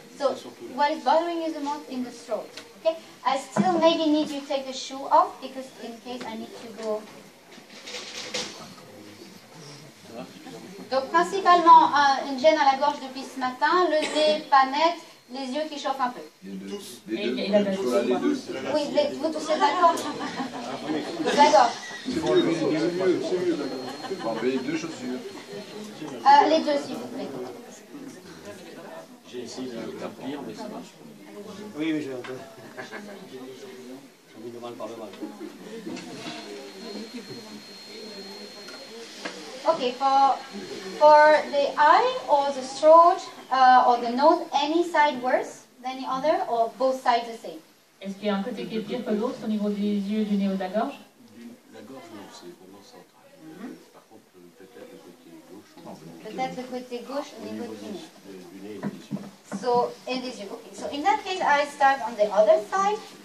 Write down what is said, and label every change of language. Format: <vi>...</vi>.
<en>So what is bothering you the most in the throat? Okay. I still maybe need you to take the shoe off because in case I need to go.</en> <fr>Donc principalement une gêne à la gorge depuis ce matin, le nez pas net, les yeux qui chauffent un peu. Les deux. Oui, vous toussez d'accord. D'accord. Les deux chaussures. Les deux s'il vous plaît. J'ai essayé de tapir, mais ça marche. Oui, mais j'ai un peu. J'ai mis le mal par le mal.</fr> <en>Okay, for the eye or the throat or the nose, any side worse than the other or both sides the same?</en> <fr>Est-ce qu'il y a un côté qui est pire que l'autre au niveau des yeux, du nez ou de la gorge? La gorge, non, c'est vraiment centre. Par contre, peut-être le côté gauche. Peut-être le côté gauche au niveau du nez. Du nez et des yeux.</fr> <en>So, and</en> <fr>des yeux.</fr> <en>Okay, so in that case, I start on the other side.</en>